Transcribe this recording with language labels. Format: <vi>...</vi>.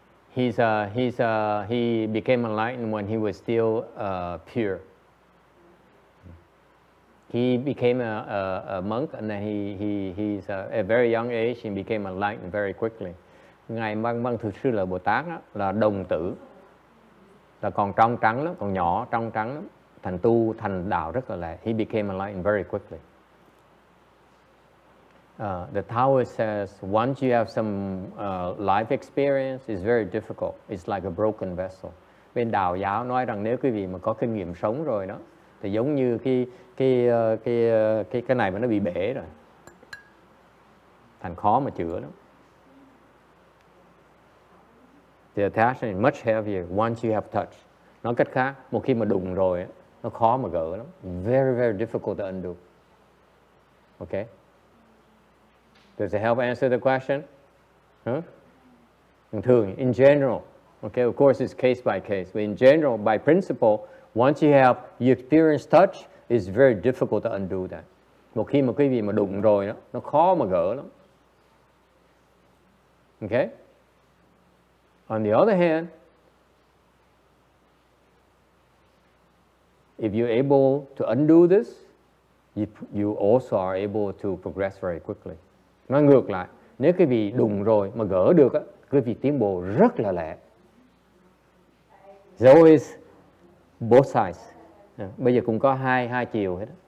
<en>He became enlightened when he was still pure. He became a monk, and then he's at a very young age, he became enlightened very quickly.</en> <vi>Ngài Băng thực sự là Bồ Tát đó, là đồng tử, là còn trong trắng lắm, còn nhỏ trong trắng lắm, thành tu thành đạo rất là lẹ.</vi> <en>He became enlightened very quickly. The Taoist says, once you have some life experience, it's very difficult. It's like a broken vessel.</en> <vi>Bên Đạo Giáo nói rằng nếu quý vị mà có kinh nghiệm sống rồi đó, thì giống như cái này mà nó bị bể rồi. Thành khó mà chữa lắm.</vi> <en>The attachment is much heavier once you have touched.</en> <vi>Nói cách khác, một khi mà đụng rồi, nó khó mà gỡ lắm.</vi> <en>Very, very difficult to undo. Okay? Does it help answer the question? Huh? In general, okay, of course it's case by case, but in general, by principle, once you have you experience touch, it's very difficult to undo that.</en> <vi>Một khi mà quý vị mà đụng rồi đó, nó khó mà gỡ lắm.</vi> <en>Okay? On the other hand, if you're able to undo this, you also are able to progress very quickly.</en> <vi>Nói ngược lại, nếu quý vị đụng rồi mà gỡ được, quý vị tiến bộ rất là lẹ.</vi> <en>There always both sides.</en> <vi>Bây giờ cũng có hai chiều hết.</vi>